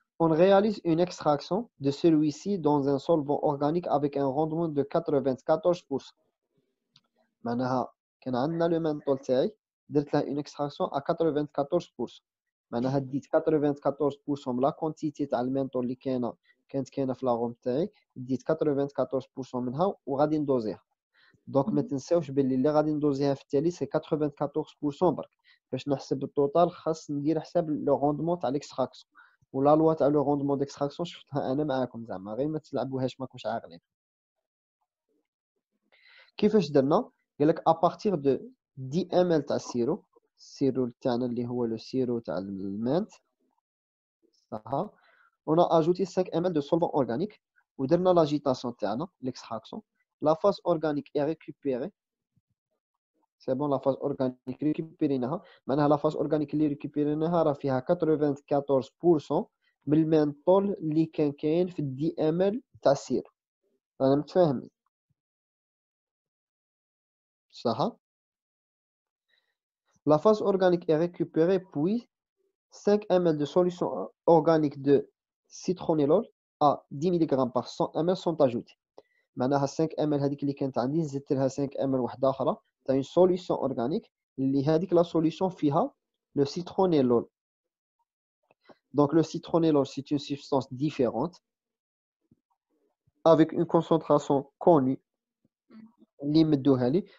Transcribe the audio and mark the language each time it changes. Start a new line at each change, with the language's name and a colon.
French: On réalise une extraction de celui-ci dans un solvant organique avec un rendement de 94%.
Arabic: معناها كان عندنا لو مانطول تاعي درت له اون اكستراكسيون ا 94%. معناها ديت 94% لا كونتيتي تاع المانطول اللي كانت في لاغوم تاعي ديت 94% منها وغادي ندوزيها. دونك ما تنساوش باللي اللي غادي ندوزيها في التالي سي 94% برك. باش نحسب التوتال خاص ندير حساب لو روندمون تاع ليكستراكسيون ولا لوا تاع لو روندمون ديكستراكسيون شفتها انا معاكم زعما غير ما تلعبوهاش ماكوش عاقلين. كيفاش درنا؟ قالك ابارتيغ دو دي ام ال تاع السيرو السيرو تاعنا اللي هو لو سيرو تاع المانت صح. اون اجوتي 5 ام ال دو سولفون اورغانيك ودرنا لاجيتاسيون تاعنا ليكستراكسيون.
French: La phase organique est récupérée. C'est bon, la phase organique récupérée. Maintenant, la phase organique est récupérée. Elle a 94% de menthol qui est en 10 ml de sirop. Vous avez compris? C'est bon. La phase organique est récupérée. Puis, 5 ml de solution organique de citronellol à 10 mg par 100 ml sont ajoutés.
Arabic: معناها 5 ml هذيك اللي كانت عندي زدت لها 5 ml وحده اخرى تاع اون سوليسيون اورغانيك اللي هذيك لا سوليسيون فيها لو سيترونيلول. دونك لو سيترونيلول سي اون سوبستانس ديفيرونت افيك اون كونسونطراسيون كوني اللي مدوها لي.